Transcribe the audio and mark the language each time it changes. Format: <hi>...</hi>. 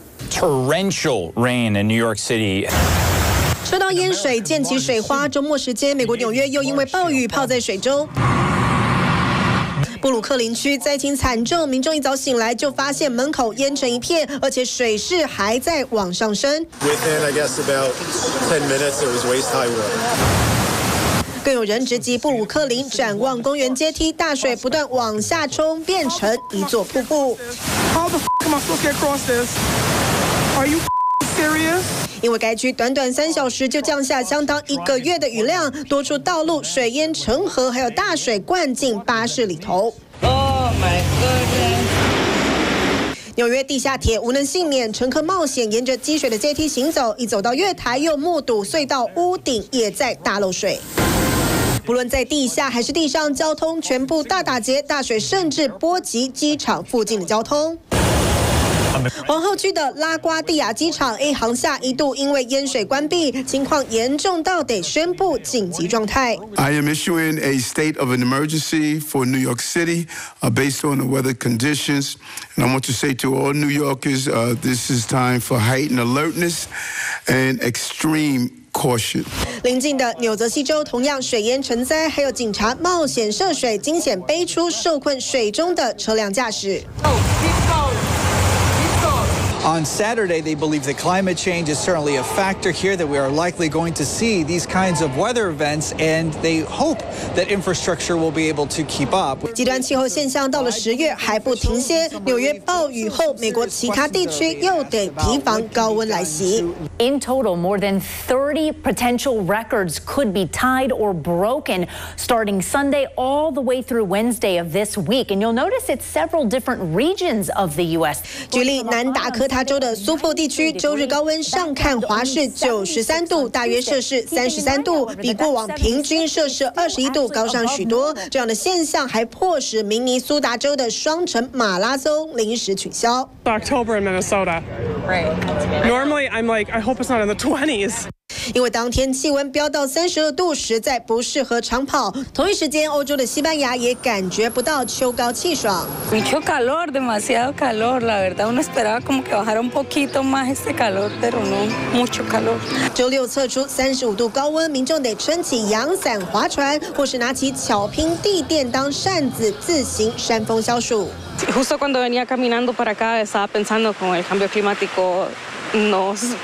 <en>Torrential rain in New York City.</en> <zh>受到淹水溅起水花，周末时间美国纽约又因为暴雨泡在水中，布鲁克林区灾情惨重，民众一早醒来就发现门口淹成一片，而且水势还在往上升。</zh> <en>Within I guess about 10 minutes it was waist high water。</en> <zh>更有人直击布鲁克林，展望公园阶梯，大水不断往下冲，变成一座瀑布。</zh> <en>How the f*** am I supposed to get across this? Are you serious?</en> <zh>因为该区短短3小时就降下相当一个月的雨量，多处道路水淹成河，还有大水灌进巴士里头。</zh> <en>Oh my god！</en> <zh>纽约地下铁无能幸免，乘客冒险沿着积水的阶梯行走，一走到月台又目睹隧道屋顶也在大漏水。不论在地下还是地上，交通全部大打劫，大水甚至波及机场附近的交通。皇后区的拉瓜地亚机场 A 航厦一度因为淹水关闭，情况严重到得宣布紧急状态。</zh> <en>I am issuing a state of an emergency for New York City, based on the weather conditions. And I want to say to all New Yorkers, this is time for heightened alertness and extreme caution.</en> <zh>邻近的纽泽西州同样水淹成灾，还有警察冒险涉水，惊险背出受困水中的车辆驾驶。</zh> <en>On Saturday, they believe that climate change is certainly a factor here, that we are likely going to see these kinds of weather events, and they hope that infrastructure will be able to keep up.</en> <zh>极端气候现象到了十月还不停歇，纽约暴雨后，美国其他地区又得提防高温来袭。</zh> <en>In total, more than 30 potential records could be tied or broken starting Sunday all the way through Wednesday of this week, and you'll notice it's several different regions of the U.S.</en> <zh>举例南达科他州的苏珀地区，周日高温上看华氏93度，大约摄氏33度，比过往平均摄氏21度高上许多。这样的现象还迫使明尼苏达州的双城马拉松临时取消。</zh> <en>October in Minnesota. Normally, I'm like, I hope it's not in the 20s.</en> <zh>因为当天气温飙到32度，实在不适合长跑。同一时间，欧洲的西班牙也感觉不到秋高气爽。</zh> <es>Mucho calor, demasiado calor. La verdad, uno esperaba como que bajara un poquito más ese calor, pero no mucho calor.</es> <zh>周六测出35度高温，民众得撑起阳伞划船，或是拿起巧拼地垫当扇子自行扇风消暑。</zh> <es>Justo cuando venía caminando para acá, estaba pensando con el cambio climático, no.</es>